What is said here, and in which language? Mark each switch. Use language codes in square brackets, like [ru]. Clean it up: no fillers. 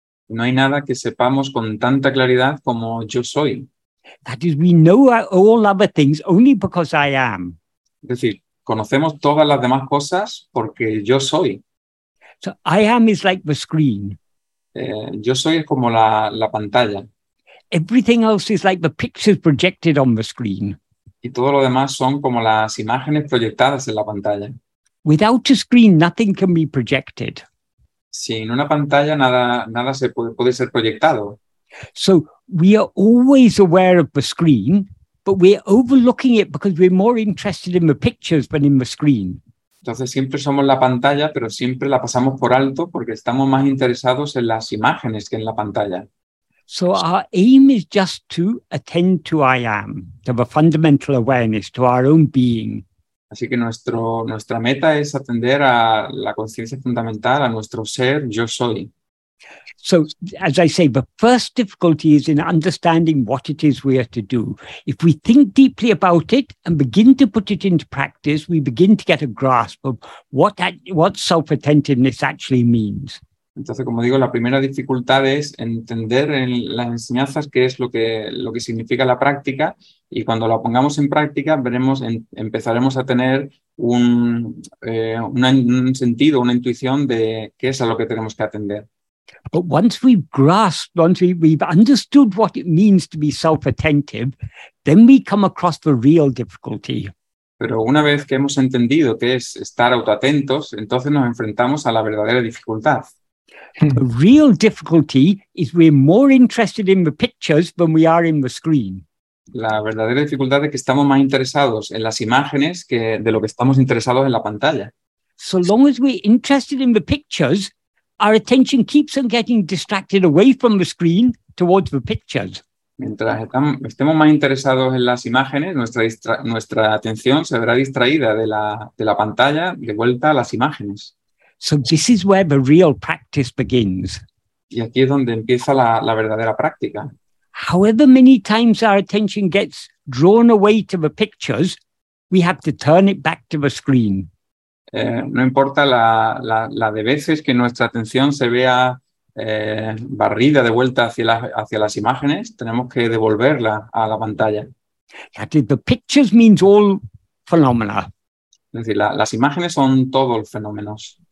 [es] No hay nada que sepamos con tanta claridad como yo soy. [en] That is, we know all other things only because I am. [es] Es decir, conocemos todas las demás cosas porque yo soy. [en] So I am is like the screen. [es] Yo soy es como la pantalla. [en] Everything else is like the pictures projected on the screen. [es] Y todo lo demás son como las imágenes proyectadas en la pantalla. [en] Without a screen, nothing can be projected. [es] Sin una pantalla, nada se puede ser proyectado. [en] So we are always aware of the screen, but we're overlooking it because we're more interested in the pictures than in the screen. [es] Entonces siempre somos la pantalla, pero siempre la pasamos por alto porque estamos más interesados en las imágenes que en la pantalla. [en] So our aim is just to attend to I am, to the fundamental awareness, to our own being. [es] Así que nuestra meta es atender a la conciencia fundamental, a nuestro ser, yo soy. [en] So, as I say, the first difficulty is in understanding what it is we are to do. If we think deeply about it and begin to put it into practice, we begin to get a grasp of what self-attentiveness actually means. [es] Entonces, como digo, la primera dificultad es entender en las enseñanzas qué es lo que significa la práctica, y cuando la pongamos en práctica, empezaremos a tener un sentido, una intuición de qué es a lo que tenemos que atender. [en] But once we've grasped, once we've understood what it means to be self-attentive, then we come across the real difficulty. [es] Pero una vez que hemos entendido qué es estar autoatentos, entonces nos enfrentamos a la verdadera dificultad. [en] The real difficulty is we're more interested in the pictures than we are in the screen. [es] La verdadera dificultad es que estamos más interesados en las imágenes que de lo que estamos interesados en la pantalla. [en] So long as we're interested in the pictures, our attention keeps on getting distracted away from the screen towards the pictures. [es] Mientras estemos más interesados en las imágenes, nuestra atención se verá distraída de la pantalla de vuelta a las imágenes. [en] So this is where the real practice begins. [es] Y aquí es donde empieza la verdadera práctica. [en] However many times our attention gets drawn away to the pictures, we have to turn it back to the screen. [es] No importa la de veces que nuestra atención se vea barrida de vuelta hacia las imágenes, tenemos que devolverla a la pantalla. [en] That is, the pictures means all phenomena. [es] Es decir, las imágenes son todos los fenómenos.